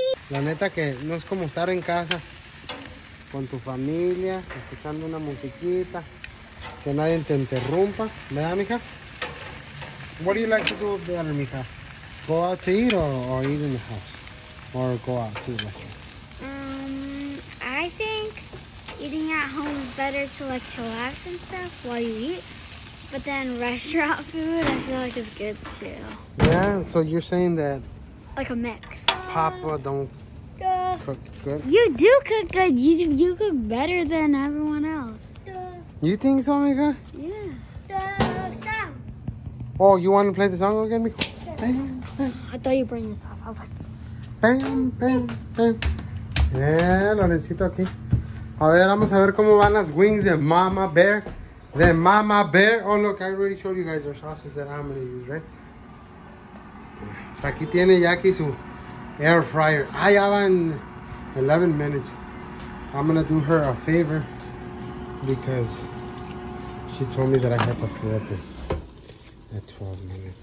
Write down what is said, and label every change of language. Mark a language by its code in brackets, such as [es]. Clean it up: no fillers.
[es] La neta que no es como estar en casa con tu familia, escuchando una musiquita, que nadie te interrumpa, ¿verdad, mija? [en] What do you like to do there, mija? Go out to eat or eat in the house? Or go out to the restaurant? I think eating at home is better to like chillax and stuff while you eat. But then restaurant food I feel like is good too. Yeah, so you're saying that like a mix. Papa don't cook good. You do cook good. You cook better than everyone else. You think so, Mika? Yeah. The song. Oh, you want to play the song again, Mika? Bam, bam. I thought you bring this off. I was like, bam, bam, bam. Yeah, Lorencito aquí. [es] A ver, vamos a ver cómo van las wings de Mama Bear. De Mama Bear. [en] Oh, look, I already showed you guys our sauces that I'm going to use, right? [es] Aquí tiene Jackie su air fryer. [en] I have an 11 minutes. I'm gonna do her a favor because she told me that I have to flip it at 12 minutes.